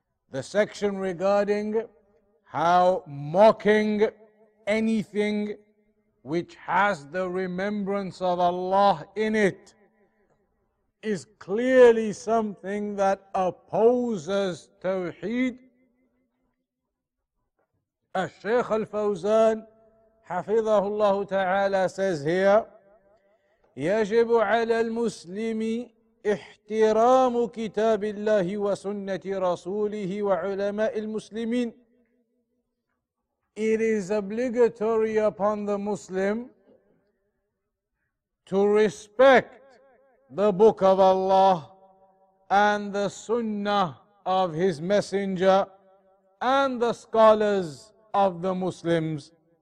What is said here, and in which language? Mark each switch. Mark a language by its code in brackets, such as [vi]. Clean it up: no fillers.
[en] The section regarding how mocking anything which has the remembrance of Allah in it is clearly something that opposes tawheed. [ar] Al-Shaykh al-Fawzan حفظه الله تعالى [en] says here, [ar] يجب على المسلم احترام كتاب الله وسنة رسوله وعلماء المسلمين. [en] It is obligatory upon the Muslim to respect the book of Allah and the sunnah of his messenger and the scholars of the Muslims.